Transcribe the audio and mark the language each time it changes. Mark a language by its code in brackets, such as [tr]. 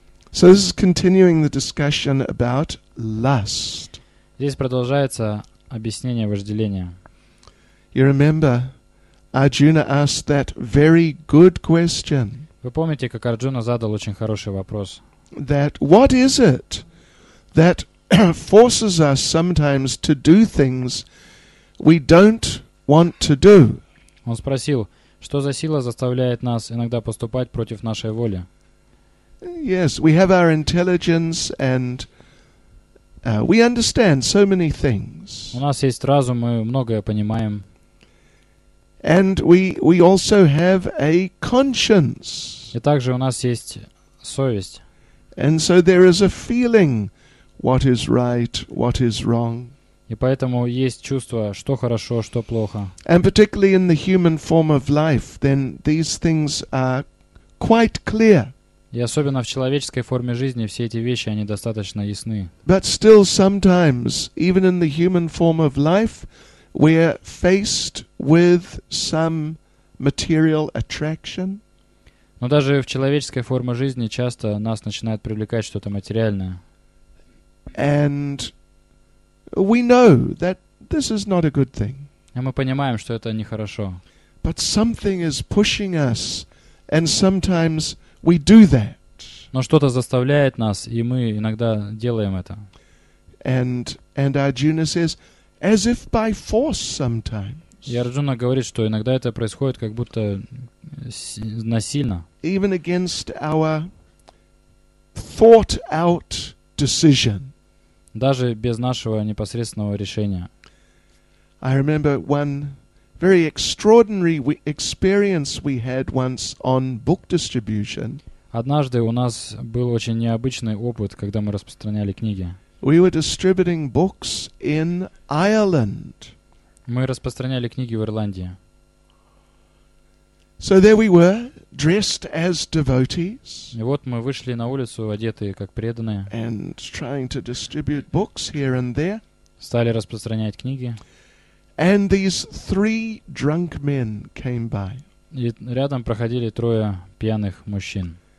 [en] So this is continuing the discussion about lust. [ru] Здесь продолжается объяснение вожделения. [en] You remember, Arjuna asked that very good question. [ru] Вы помните, как Арджуна задал очень хороший вопрос? [en] That what is it that forces us sometimes to do things we don't want to do? [ru] Он спросил, что за сила заставляет нас иногда поступать против нашей воли? [en] Yes, we have our intelligence and we understand so many things. [ru] У нас есть разум, мы многое понимаем. [en] And we also have a conscience. [ru] И также у нас есть совесть. [en] And so there is a feeling, what is right, what is wrong. [ru] И поэтому есть чувство, что хорошо, что плохо. [en] And particularly in the human form of life, then these things are quite clear. [ru] И особенно в человеческой форме жизни все эти вещи, они достаточно ясны. [en] But still sometimes, even in the human form of life, we're faced with some material attraction. [ru] Но даже в человеческой форме жизни часто нас начинает привлекать что-то материальное. [en] And we know that this is not a good thing. [ru] И мы понимаем, что это нехорошо. [en] But something is pushing us, and sometimes we do that. [ru] Но что-то заставляет нас, и мы иногда делаем это. [en] And Arjuna says, as if by force sometimes. [ru] И Арджуна говорит, что иногда это происходит как будто насильно. [en] Even against our thought-out decision. [ru] Даже без нашего непосредственного решения. [en] I remember one very extraordinary experience we had once on book distribution. [ru] Однажды у нас был очень необычный опыт, когда мы распространяли книги. [en] We were distributing books in Ireland. [ru] Мы распространяли книги в Ирландии. [en] So there we were, dressed as devotees. [ru] И вот мы вышли на улицу, одетые как преданные. [en] And trying to distribute books here and there. [ru] Стали распространять книги. [en] And these three drunk men came by. [ru] И рядом проходили трое пьяных мужчин.